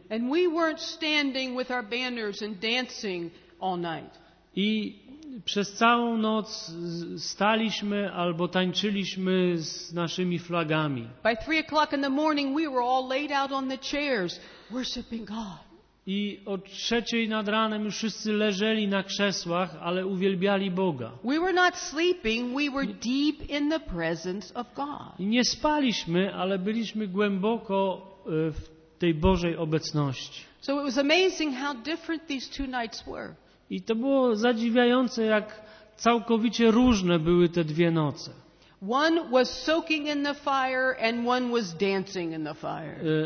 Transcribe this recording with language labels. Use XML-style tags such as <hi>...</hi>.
<en>And we weren't standing with our banners and dancing all night.</en> <pl>I przez całą noc staliśmy albo tańczyliśmy z naszymi flagami.</pl> <en>By 3 o'clock in the morning we were all laid out on the chairs worshiping God.</en> <pl>I o trzeciej nad ranem już wszyscy leżeli na krzesłach, ale uwielbiali Boga.</pl> <en>We were not sleeping, we were deep in the presence of God.</en> <pl>I nie spaliśmy, ale byliśmy głęboko w tej Bożej obecności.</pl> <en>So it was amazing how different these two nights were.</en> <pl>I to było zadziwiające, jak całkowicie różne były te dwie noce.</pl> <en>One was soaking in the fire and one was dancing in the fire.</en>